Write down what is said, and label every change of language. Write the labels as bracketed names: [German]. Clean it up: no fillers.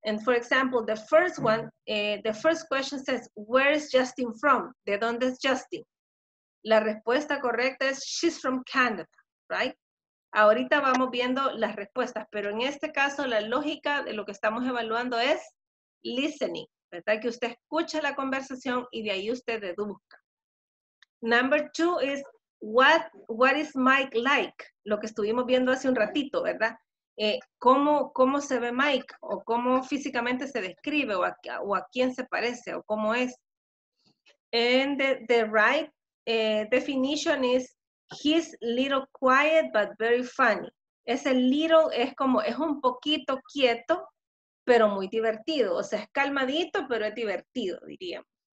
[English] And for example, the first one, the first question says, where is Justin from? [Spanish] ¿De dónde es Justin? La respuesta correcta es, [English] she's from Canada, right? [Spanish] Ahorita vamos viendo las respuestas, pero en este caso la lógica de lo que estamos evaluando es listening, ¿verdad? Que usted escucha la conversación y de ahí usted deduzca. [English] Number two is, what is Mike like? [Spanish] Lo que estuvimos viendo hace un ratito, ¿verdad? ¿Cómo se ve Mike? ¿O cómo físicamente se describe? ¿O a quién se parece? ¿O cómo es? [English] And the right definition is, he's little quiet but very funny. [Spanish] Ese little es como, es un poquito quieto, pero muy divertido. O sea, es calmadito, pero es divertido, diríamos.